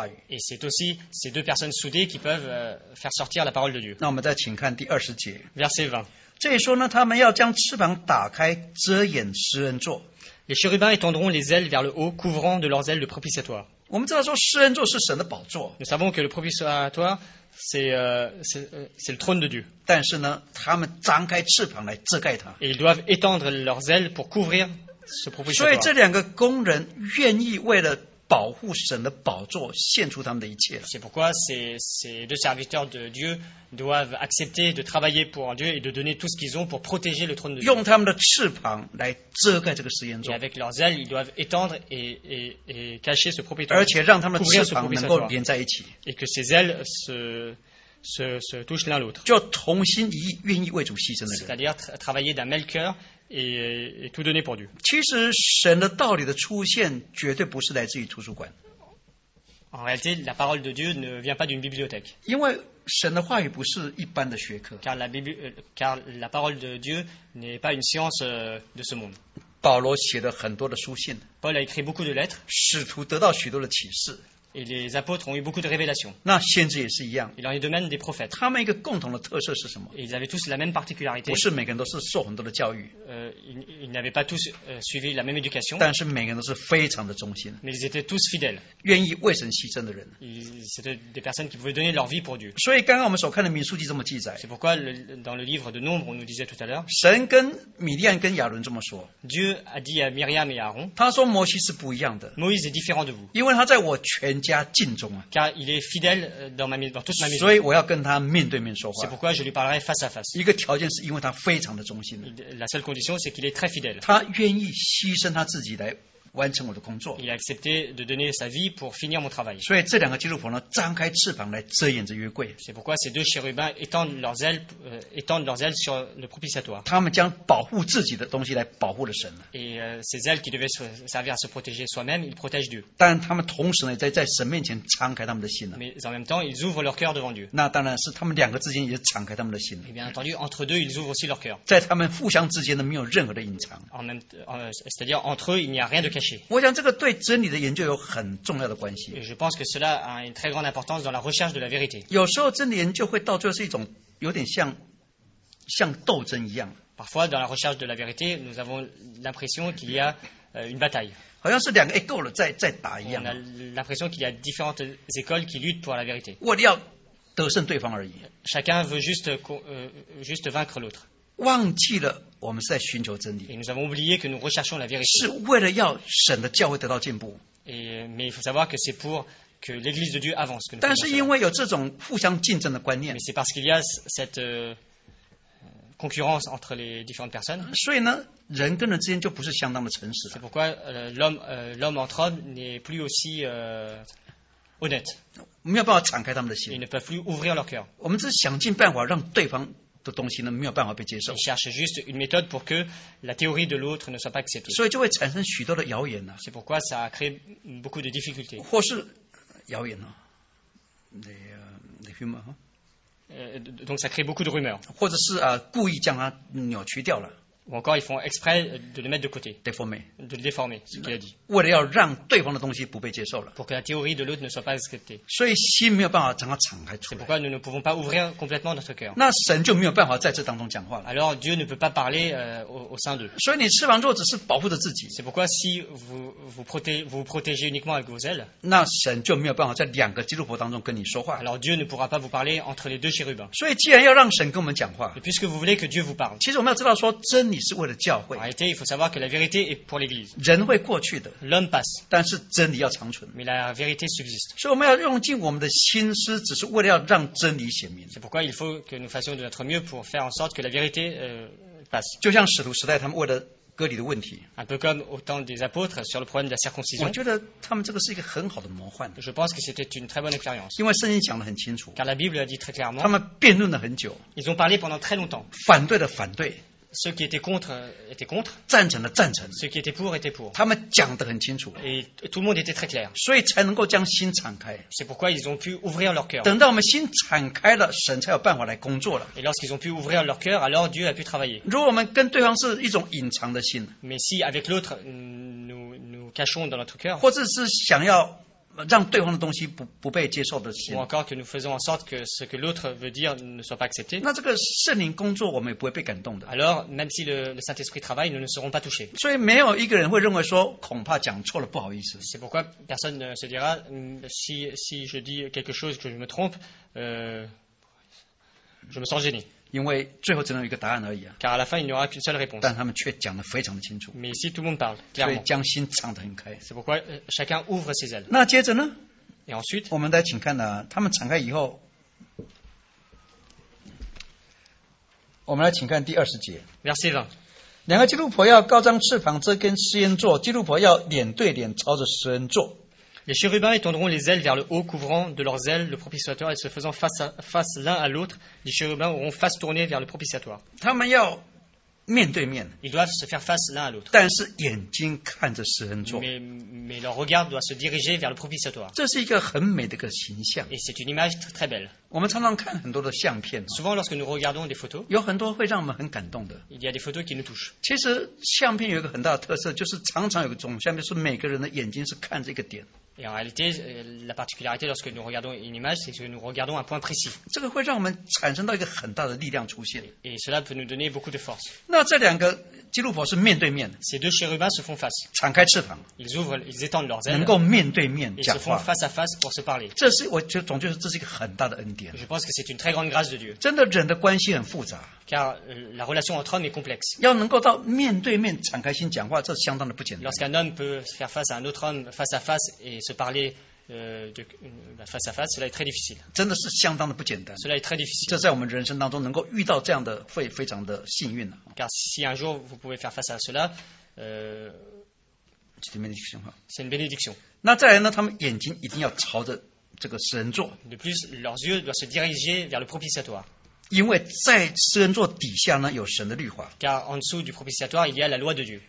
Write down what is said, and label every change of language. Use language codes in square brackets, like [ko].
[fr] Et c'est aussi ces deux personnes soudées qui peuvent faire sortir la parole de Dieu. Verset 20. [zh] 这里说呢, 他们要将翅膀打开, 遮掩诗人座, [fr] les chérubins étendront les ailes vers le haut, couvrant de leurs ailes le propitiatoire. [zh] 我们知道说, [fr] nous savons que le propitiatoire, c'est le trône de Dieu. [zh] 但是呢, [fr] et ils doivent étendre leurs ailes pour couvrir ce propitiatoire. [zh] 所以这两个工人愿意为了 保护神的宝座, [fr] c'est pourquoi ces deux serviteurs de Dieu doivent accepter de travailler pour Dieu et de donner tout ce qu'ils ont pour protéger le trône de Dieu. [zh] 用他们的翅膀来遮盖这个实验座, [fr] et avec leurs ailes, ils doivent étendre et cacher ce propriétaire, couvrir ce propriétaire, et que ces ailes se touchent l'un l'autre. [zh] 就同心一意愿意为主牺牲的人, [fr] c'est-à-dire travailler d'un même cœur et tout donner pour Dieu. [zh] 其实神的道理的出现绝对不是来自于图书馆。 [fr] En réalité, la parole de Dieu ne vient pas d'une bibliothèque. [zh] 因为神的话语不是一般的学科。 [fr] Car la parole de Dieu n'est pas une science de ce monde. [zh] 保罗写了很多的书信。 [fr] Paul a écrit beaucoup de lettres. [zh] 使徒得到许多的启示。 [fr] Et les apôtres ont eu beaucoup de révélations. [zh] 那先知也是一样, [fr] il en est de même des prophètes. [zh] 他们一个共同的特色是什么? [fr] Et ils avaient tous la même particularité. [zh] 不是每个人都是受很多的教育, [fr] ils n'avaient pas tous suivi la même éducation. [zh] 但是每个人都是非常的忠心, [fr] mais ils étaient tous fidèles. [zh] 愿意为神牺牲的人, [fr] c'était des personnes qui pouvaient donner leur vie pour Dieu. [zh] 所以刚刚我们所看的民数记这么记载, [fr] c'est pourquoi dans le livre de Nombre, on nous disait tout à l'heure, [zh] 神跟米利安跟亚伦这么说, [fr] Dieu a dit à Myriam et Aaron, [zh] 他说摩西是不一样的, [fr] Moïse est différent de vous. [zh] 因为他在我全 [fr] car il est fidèle dans toute ma maison. C'est pourquoi je lui parlerai face à face. La seule condition, c'est qu'il est très fidèle. Il a accepté de donner sa vie pour finir mon travail. C'est pourquoi ces deux chérubins étendent leurs ailes sur le propitiatoire. Et ces ailes qui devaient servir à se protéger soi-même, ils protègent Dieu. [zh] 但他们同时呢,在神面前敞开他们的心呢, [fr] mais en même temps, ils ouvrent leur cœur devant Dieu. [zh] 那当然是他们两个之间也敞开他们的心呢, [fr] et bien entendu, entre deux, ils ouvrent aussi leur cœur. [zh] 在他们互相之间呢,没有任何的隐藏, [fr] c'est-à-dire, entre eux, il n'y a rien de caché. [zh] 我想这个对真理的研究有很重要的关系。 [fr] Je pense que cela a une très grande importance dans la recherche de la vérité. [zh] 有时候真理研究会到最后是一种有点像斗争一样。 [fr] Parfois, dans la recherche de la vérité, nous avons l'impression qu'il y a une bataille. [zh] 好像是两个école在打一样。 [fr] On a l'impression qu'il y a différentes écoles qui luttent pour la vérité. [zh] 我要得胜对方而已。 [fr] Chacun veut juste vaincre l'autre. [zh] 忘记了。我们是在寻求真理, [fr] et nous avons oublié que nous recherchons la vérité. [zh] 是为了要神的教会得到进步, [fr] et, mais il faut savoir que c'est pour que l'église de Dieu avance. [zh] 但是因为有这种互相竞争的观念, [fr] mais c'est parce qu'il y a cette concurrence entre les différentes personnes. [zh] 所以呢, 人跟人之间就不是相当的诚实了。 [fr] C'est pourquoi l'homme entre hommes n'est plus aussi honnête. [zh] 没有办法敞开他们的心, [fr] ils ne peuvent plus ouvrir leur cœur. [zh] 我们只是想尽办法让对方 的东西呢没有办法被接受。 [fr] Il cherche juste une méthode pour que la théorie de l'autre ne soit pas acceptée. [zh] 所以就会产生许多的谣言呢。 [fr] C'est pourquoi ça a créé beaucoup de difficultés. [zh] 或是谣言呢, [fr] les rumeurs, donc ça crée beaucoup de rumeurs. [zh] 或者是, 故意将它扭曲掉了。 [fr] Ou encore, ils font exprès de le mettre de côté. Déformer. De le déformer, ce qu'il a dit. [zh] 为了要让对方的东西不被接受了, [fr] pour que la théorie de l'autre ne soit pas acceptée. [zh] 所以心没有办法将它敞开出来。 [fr] C'est pourquoi nous ne pouvons pas ouvrir complètement notre cœur. [zh] 那神就没有办法在这当中讲话了。 [fr] Alors Dieu ne peut pas parler au sein d'eux. [zh] 所以你翅膀座只是保护着自己。 [fr] C'est pourquoi si vous protégez uniquement avec vos ailes, [zh] 那神就没有办法在两个基督徒当中跟你说话。 [fr] Alors Dieu ne pourra pas vous parler entre les deux chérubins. [zh] 所以既然要让神跟我们讲话, [fr] et puisque vous voulez que Dieu vous parle, [zh] 其实我们要知道说真理, 理是为了教会。 [fr] En réalité, il faut savoir que la vérité est pour l'Église. [zh] 人会过去的。 [fr] L'homme passe. [zh] 但是真理要长存。 [fr] Mais la vérité subsiste. [zh] 所以我们要用尽我们的心思，只是为了要让真理显明。 [fr] C'est pourquoi il faut que nous fassions de notre mieux pour faire en sorte que la vérité passe. [zh] 就像使徒时代他们为了割礼的问题。 [fr] Un peu comme au temps des apôtres sur le problème de la circoncision. [zh] 我觉得他们这个是一个很好的模范。 [fr] Je pense que c'était une très bonne expérience. [zh] 因为圣经讲得很清楚。 [fr] Car la Bible dit très clairement. [zh] 他们辩论了很久。 [fr] Ils ont parlé pendant très longtemps. [zh] 反对的反对。 [fr] Ceux qui étaient contre étaient contre. [zh] 赞成的赞成。 [fr] Ceux qui étaient pour étaient pour. [zh] 他们讲得很清楚。 [fr] Et tout le monde était très clair. [zh] 所以才能够将心敞开。 [fr] C'est pourquoi ils ont pu ouvrir leur cœur. [zh] 等到我们心敞开了，神才有办法来工作了。 [fr] Et lorsqu'ils ont pu ouvrir leur cœur, alors Dieu a pu travailler. [zh] 如果我们跟对方是一种隐藏的心。 [fr] Mais si avec l'autre nous cachons dans notre cœur. [zh] 或者是想要让对方的东西 不被接受的心。 [fr] Ou encore que nous faisons en sorte que ce que l'autre veut dire ne soit pas accepté. [zh] 那这个圣灵工作，我们也不会被感动的。 [fr] Alors, même si le Saint-Esprit travaille, nous ne serons pas touchés. [zh] 所以没有一个人会认为说，恐怕讲错了，不好意思。 [fr] C'est pourquoi personne ne se dira, si je dis quelque chose que je me trompe, je me sens gêné. [zh] 因为最后只能有一个答案而已啊。 [fr] Car à la fin, il n'y aura qu'une seule réponse. [zh] 但他们却讲得非常的清楚。 [fr] Mais ici, tout le monde parle, clairement. [zh] 所以将心敞得很开。 [fr] C'est pourquoi chacun ouvre ses ailes. [zh] 那接着呢？ [fr] Et ensuite, [zh] 我们再请看呢，他们敞开以后，我们来请看第二十节。 [fr] Merci, Jean。 [zh] 两个基督婆要高张翅膀遮跟施恩座，基督婆要脸对脸朝着施恩座。 [fr] Les chérubins étendront les ailes vers le haut, couvrant de leurs ailes le propitiatoire et se faisant face l'un à l'autre, les chérubins auront face tournée vers le propitiatoire. [zh] 他们要面对面。 [fr] Ils doivent se faire face l'un à l'autre. [zh] 但是眼睛看着施恩座。 [fr] Mais leur regard doit se diriger vers le propitiatoire. [zh] 这是一个很美的一个形象。 [fr] Et c'est une image très belle. [zh] 我们常常看很多的相片。 [fr] Souvent lorsque nous regardons des photos, [zh] 有很多会让我们很感动的。 [fr] Il y a des photos qui nous touchent. [zh] 其实相片有一个很大的特色，就是常常有个总相片，是每个人的眼睛是看着一个点。 [fr] Et en réalité, la particularité lorsque nous regardons une image, c'est que nous regardons un point précis. [zh] 这个会让我们产生到一个很大的力量出现。 [fr] Et cela peut nous donner beaucoup de force. [zh] 那这两个基督婆是面对面的。 [fr] Ces deux chérubins se font face. [zh] 敞开翅膀。 [fr] Ils ouvrent, ils étendent leurs ailes. [zh] 能够面对面讲话。 [fr] Ils se font face à face pour se parler. [zh] 这是我觉得总觉得这是一个很大的恩典。 [fr] Je pense que c'est une très grande grâce de Dieu. [zh] 真的人的关系很复杂。 [fr] Car la relation entre hommes est complexe. [zh] 要能够到面对面敞开心讲话，这相当的不简单。 [fr] Lorsqu'un homme peut faire face à un autre homme face à face et se parler face à face, cela est très difficile. [zh] 真的是相当的不简单。 [fr] Cela est très difficile. [zh] 这在我们人生当中能够遇到这样的，会非常的幸运了。 [fr] Car si un jour vous pouvez faire face à cela, c'est une bénédiction. C'est une bénédiction. [zh] 那再来呢？他们眼睛一定要朝着这个施恩座。 [fr] De plus, leurs yeux doivent se diriger vers le propitiatoire. [zh] 因为在施恩座底下呢，有神的律法。 [fr] Car en dessous du propitiatoire, il y a la loi de Dieu.